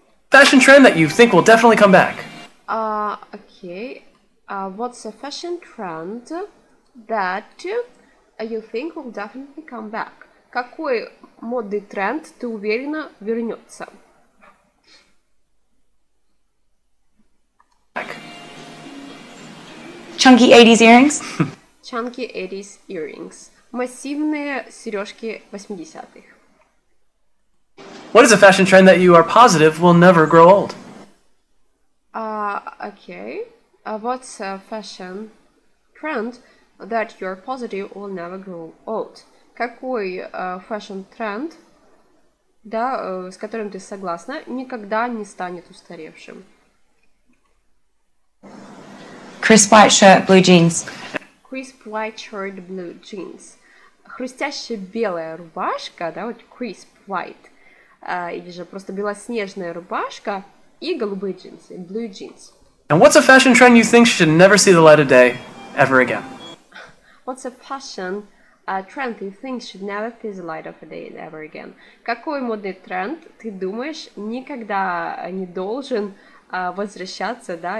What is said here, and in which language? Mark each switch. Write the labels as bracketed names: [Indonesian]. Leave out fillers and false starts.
[English] Fashion trend that you think will definitely come back. Okay. What's a fashion trend that you think will definitely come back? [Russian] Какой модный тренд ты уверена вернется? [English] Chunky 80s earrings. Chunky 80s earrings. [Russian] Массивные сережки 80-х. [English] What is a fashion trend that you are positive will never grow old? Okay. What's a fashion trend that you are positive will never grow old? [Russian] Какой фэшн-тренд, да, с которым ты согласна, никогда не станет устаревшим? [English] Crisp white shirt, blue jeans. Crisp white shirt, blue jeans. [Russian] Хрустящая белая рубашка, да, вот [English] crisp white, [Russian] или же просто белоснежная рубашка и голубые джинсы, [English] blue jeans. And what's a fashion trend you think should never see the light of day ever again? What's a fashion... A trend you think should never see the light of a day ever again. [Russian] Какой модный тренд ты думаешь никогда не должен возвращаться, да?